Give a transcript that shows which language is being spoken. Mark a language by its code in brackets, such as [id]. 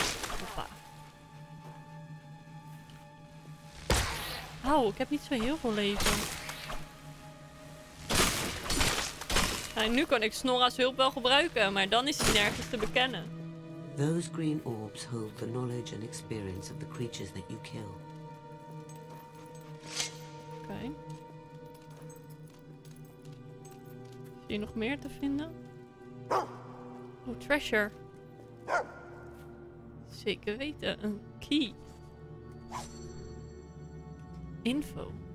[nl] Hoppa. Au, ik heb niet zo heel veel leven. En nu kan ik Snorra's hulp wel gebruiken, maar dan is hij nergens te bekennen. [en] Those green orbs hold the knowledge and experience of the creatures that you kill. [nl] Oké. Is hier nog meer te vinden? [en] Oh, treasure. [nl] Zeker weten, een key. Info.